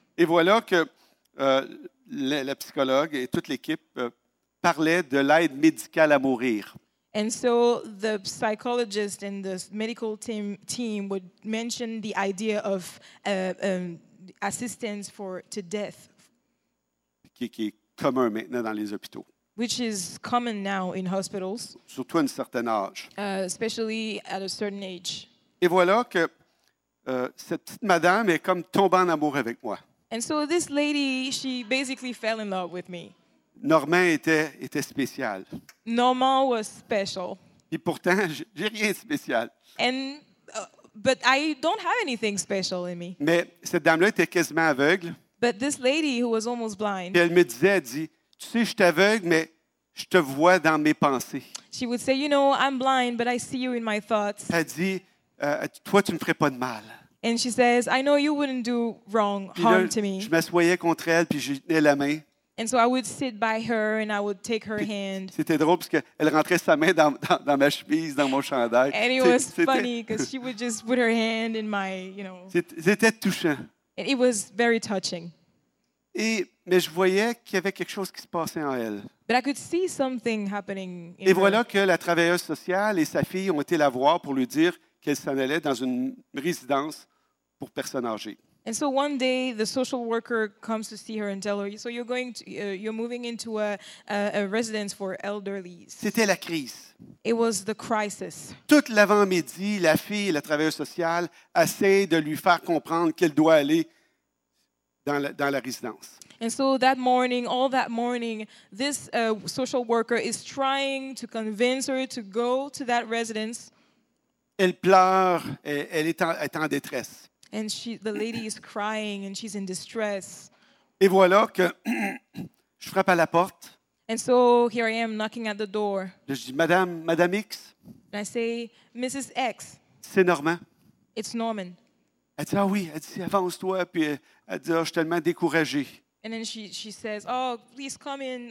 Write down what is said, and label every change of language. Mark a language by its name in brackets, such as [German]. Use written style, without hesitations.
[French] Et voilà que la psychologue et toute l'équipe parlaient de l'aide médicale à mourir. [English] And so the psychologist and the medical team would mention the idea of assistance to death. [French] Qui est commun maintenant dans les hôpitaux. [English] Which is common now in hospitals. [French] Surtout à un certain âge. [English] Especially at a certain age. [French] Et voilà que cette petite madame est comme tombée en amour avec moi. [English] And so this lady, she basically fell in love with me. [French] Normand était spécial. [English] Normand was special. [French] Et pourtant, j'ai rien de spécial. [English] And but I don't have anything special in me. [French] Mais cette dame-là était quasiment aveugle. [English] But this lady who was almost blind. [French] Et elle me disait, elle dit, tu sais, je t'aveugle, mais je te vois dans mes pensées. [English] She would say, you know, I'm blind, but I see you in my thoughts. [French] Elle dit, toi, tu ne ferais pas de mal. [English] And she says, I know you wouldn't do wrong, harm to me. [French] Je m'assoyais contre elle, puis je tenais la main. [English] And so I would sit by her and I would take her hand. [French] C'était drôle parce qu'elle rentrait sa main dans ma chemise, dans mon chandail. [English] And it was funny because she would just put her hand in my, you know. [French] C'était touchant. [English] And it was very touching. [French] Mais je voyais qu'il y avait quelque chose qui se passait en elle. [English] But I could see something happening in her. [French] Et voilà que la travailleuse sociale et sa fille ont été la voir pour lui dire qu'elle s'en allait dans une résidence pour personnes âgées. [English] And so one day the social worker comes to see her and tell her, so you're going to, you're moving into a residence for elderly. [French] C'était la crise. [English] It was the crisis. [French] Toute l'avant-midi, la fille, la travailleuse sociale, essaie de lui faire comprendre qu'elle doit aller dans la résidence. [English] And so that morning, all that morning, this social worker is trying to convince her to go to that residence. [French] Elle pleure, elle est en détresse. [English] And the lady is crying and she's in distress. [French] Et voilà que je frappe à la porte. [English] And so here I am knocking at the door. [French] Je dis, Madame X. [English] And I say, Mrs. X. [French] C'est Norman. [English] It's Norman. [French] Elle dit, ah oui, elle dit, avance-toi. Puis elle dit, oh, je suis tellement découragée. [English] And then she says, oh, please come in.